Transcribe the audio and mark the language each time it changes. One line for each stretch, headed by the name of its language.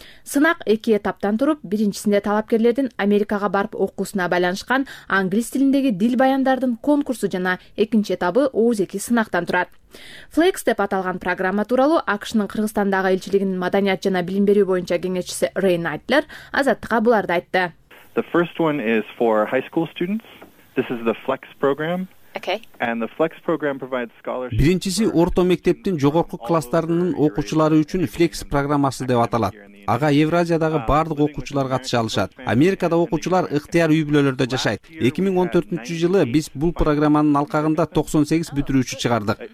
Kyrgyz: Сынак эки этаптан туруп, биринчисинде талапкерлердин Америкага барып окуусуна байланышкан англис тилиндеги дил баяндардын конкурсу жана экинчи этабы оозеки сынактан турат. Flex деп аталган программа тууралуу АКШнын Кыргызстандагы элчилигинин маданият жана билим берүү боюнча кеңешчиси Рейн Айтлер Азаттыкка буларды айтты.
English: The first one is for high school students. This is the Flex program.
Kyrgyz: Биринчиси орто мектептин жогорку класстарынын окуучулары үчүн Flex программасы деп аталат. Ага Евразиядагы бардык окуучулар катыша алышат. Америкада окуучулар ыктыяр үй-бүлөлөрдө жашайт. 2014 жылы биз бул программанын алкагында 98 бүтүрүүчү чыгардык.